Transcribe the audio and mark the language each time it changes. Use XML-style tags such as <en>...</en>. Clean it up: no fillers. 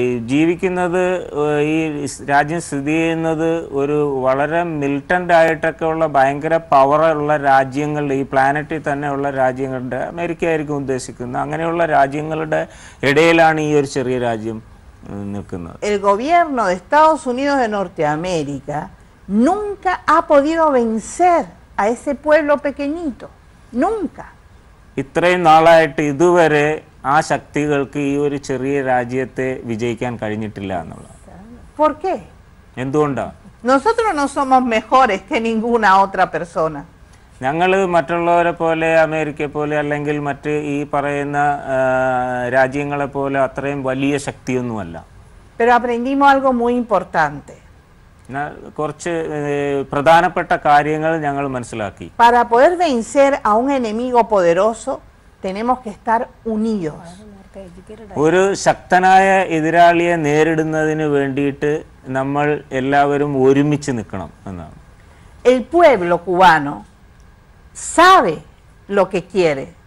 <ml>ജീവിക്കുന്നത് ഈ രാജ്യം സ്ഥിതി ചെയ്യുന്നത് ഒരു വളരെ മിലിറ്റന്റ് ആയിട്ടൊക്കെ ഉള്ള ഭയങ്കര പവറുള്ള രാജ്യങ്ങളുടെ ഈ പ്ലാനറ്റിൽ തന്നെ ഉള്ള രാജ്യങ്ങളുടെ അമേരിക്ക ആയിരിക്കും ഉദ്ദേശിക്കുന്നത് അങ്ങനെയുള്ള രാജ്യങ്ങളുടെ ഇടയിലാണ് ഈ ഒരു ചെറിയ രാജ്യം നിൽക്കുന്നത്</ml> <es>El gobierno de Estados Unidos de Norteamérica nunca ha podido vencer a ese pueblo pequeñito nunca</es> <ml>ഇത്രയും നാളായിട്ട് ഇതുവരെ ആ ശക്തികൾക്ക് ഈ ഒരു ചെറിയ രാജ്യത്തെ വിജയിക്കാൻ കഴിഞ്ഞിട്ടില്ല എന്നുള്ളത്</ml> <es>¿Por qué?</es> <ml>എന്തുകൊണ്ടാ?</ml> <es>Nosotros no somos mejores que ninguna otra persona.</es> <ml>ഞങ്ങൾ മറ്റുള്ളവരെ പോലെ അമേരിക്ക പോലെ അല്ലെങ്കിൽ മറ്റ് ഈ പറയുന്ന രാജ്യങ്ങളെ പോലെ അത്രയും വലിയ ശക്തിയൊന്നുമല്ല.</ml> <es>Pero aprendimos algo muy importante.</es> <ml>കുറച്ച് പ്രധാനപ്പെട്ട കാര്യങ്ങൾ ഞങ്ങൾ മനസ്സിലാക്കി.</ml> <es>Para poder vencer a un enemigo poderoso tenemos que estar unidos.</es> <ml>ഒരു ശക്തനായ എതിരാളിയെ നേരിടുന്നതിന് വേണ്ടിയിട്ട് നമ്മൾ എല്ലാവരും ഒരുമിച്ച് നിൽക്കണം എന്നാണ്.</ml> <es>El pueblo cubano sabe lo que quiere.</es>